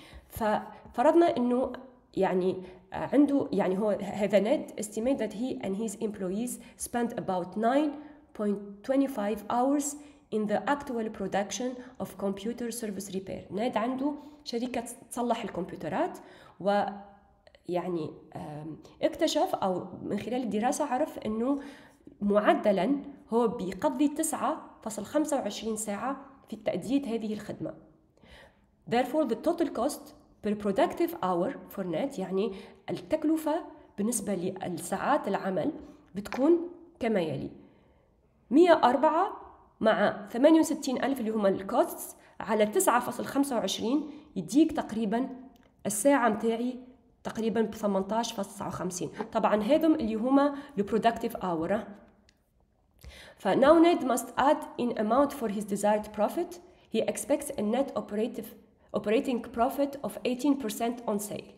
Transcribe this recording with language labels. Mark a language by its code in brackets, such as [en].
[ar] ففرضنا أنه يعني عنده، يعني هو هذا [en] net estimate that he and his employees spent about 9.25 hours in the actual production of computer service repair. [ar] net عنده شركة تصلح الكمبيوترات، و يعني اكتشف أو من خلال الدراسة عرف أنه معدلاً هو بيقضي 9.25 ساعة في تأدية هذه الخدمة. [en] Therefore the total cost per productive hour for net، [ar] يعني التكلفة بالنسبة للساعات العمل بتكون كما يلي: 104 مع 68,000 اللي هما الكوست على 9.25، يديك تقريباً الساعة متاعي تقريبا ب 18.59. طبعا هذم اللي هما البرودكتيف اور. [en] ف now net must add in amount for his desired profit. He expects a net operating profit of 18% on sale.